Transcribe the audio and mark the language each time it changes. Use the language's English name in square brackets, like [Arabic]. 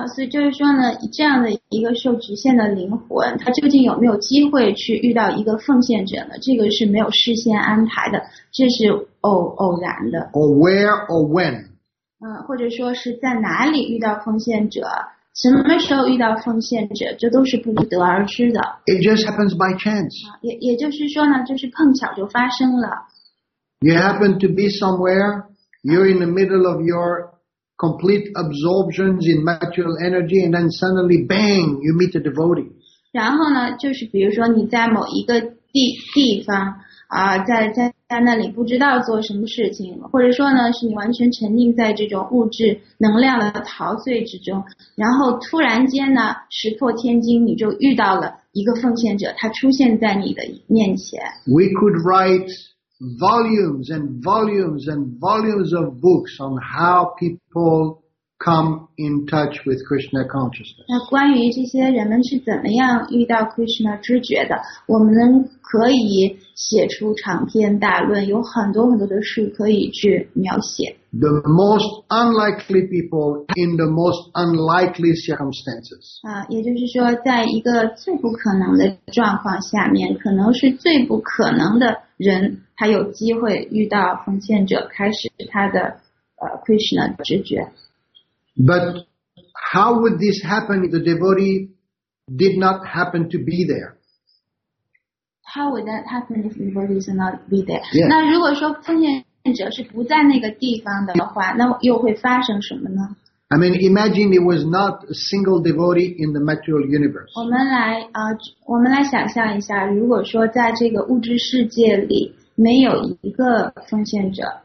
[Chinese] 所以就是说呢，这样的一个受局限的灵魂，他究竟有没有机会去遇到一个奉献者呢？这个是没有事先安排的，这是偶然的。 [English] Or where or when? [Chinese] 或者说是在哪里遇到奉献者，什么时候遇到奉献者，这都是不得而知的。 [English] It just happens by chance. [Chinese] 也就是说呢，就是碰巧就发生了。 [English] You happen to be somewhere. You're in the middle of your complete absorptions in material energy, and then suddenly, bang, you meet a devotee. [Chinese] 然后呢，就是比如说你在某一个地方在那里不知道做什么事情，或者说呢，是你完全沉浸在这种物质能量的陶醉之中，然后突然间呢，石破天惊，你就遇到了一个奉献者，他出现在你的面前。 [English] We could write volumes and volumes and volumes of books on how people come in touch with Krishna consciousness. [Chinese] 那关于这些人们是怎么样遇到 Krishna 知觉的，我们可以写出长篇大论，有很多很多的书可以去描写。 [English] The most unlikely people in the most unlikely circumstances. [Chinese] 也就是说，在一个最不可能的状况下面，可能是最不可能的人，他有机会遇到奉献者，开始他的Krishna 知觉。 [English] But how would this happen if the devotee did not happen to be there? How would that happen if the devotee did not be there? Yeah. [Chinese] 那如果说奉献者是不在那个地方的话，那又会发生什么呢？ [English] I mean, imagine it was not a single devotee in the material universe. [Chinese] 我们来想象一下，如果说在这个物质世界里没有一个奉献者。